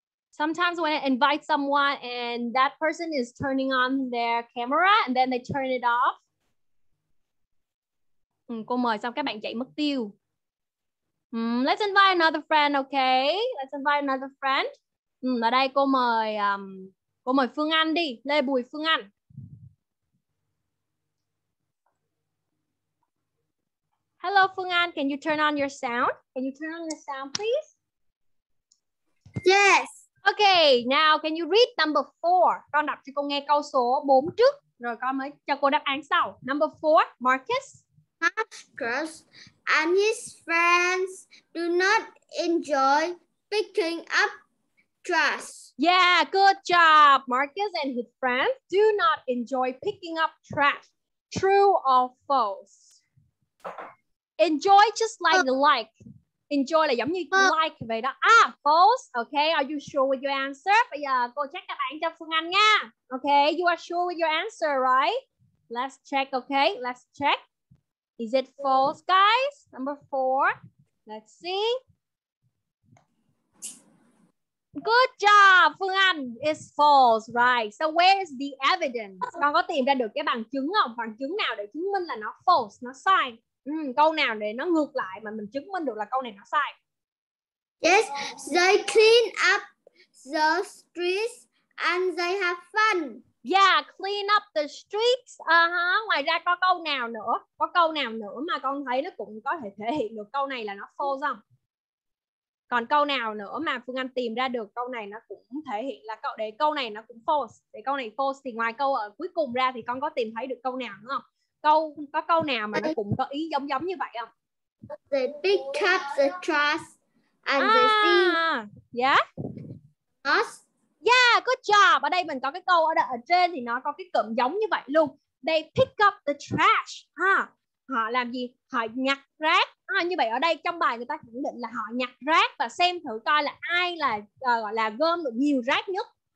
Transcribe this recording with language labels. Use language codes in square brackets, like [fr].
[en] Sometimes when I invite someone and that person is turning on their camera and then they turn it off. [vi] Cô mời xong các bạn chạy mất tiêu. [en] Let's invite another friend, okay? Let's invite another friend. [vi] Ở đây cô mời Cô mời Phương Anh đi. [en] Lê Bùi Phương Anh. Hello, Phương Anh. Can you turn on your sound? Can you turn on your sound, please? Yes. Okay, now can you read number 4? [vi] Con đọc cho cô nghe câu số 4 trước, rồi con mới cho cô đáp án sau. [en] Number 4, Marcus. Marcus and his friends do not enjoy picking up trash. Yeah, good job. Marcus and his friends do not enjoy picking up trash. True or false? Enjoy just like the like. [vi] Enjoy là giống như like vậy đó. [en] Ah, false. Okay, are you sure with your answer? [vi] Bây giờ cô check đáp án cho Phương Anh nha. [en] Okay, you are sure with your answer, right? Let's check, okay? Let's check. Is it false, guys? Number 4. Let's see. Good job, Phương Anh. It's false, right? So where is the evidence? [vi] Con có tìm ra được cái bằng chứng không? Bằng chứng nào để chứng minh là nó false, nó sai? Câu nào để nó ngược lại mà mình chứng minh được là câu này nó sai? [en] Yes, they clean up the streets and they have fun. Yeah, clean up the streets. [vi] Ngoài ra có câu nào nữa? Có câu nào nữa mà con thấy nó cũng có thể thể hiện được câu này là nó false không? Còn câu nào nữa mà Phương Anh tìm ra được câu này nó cũng thể hiện là câu để câu này nó cũng false. Để câu này false thì ngoài câu ở cuối cùng ra thì con có tìm thấy được câu nào nữa không? Câu, có câu nào mà nó cũng có ý giống giống như vậy không? [en] They pick up the trash and they see. Yeah. Us. Yeah, good job. [vi] Ở đây mình có cái câu ở trên thì nó có cái cụm giống như vậy luôn. [en] They pick up the trash. [vi] Họ làm gì? Họ nhặt rác. Như vậy ở đây trong bài người ta khẳng định là họ nhặt rác và xem thử coi là ai là gọi là gom được nhiều rác nhất.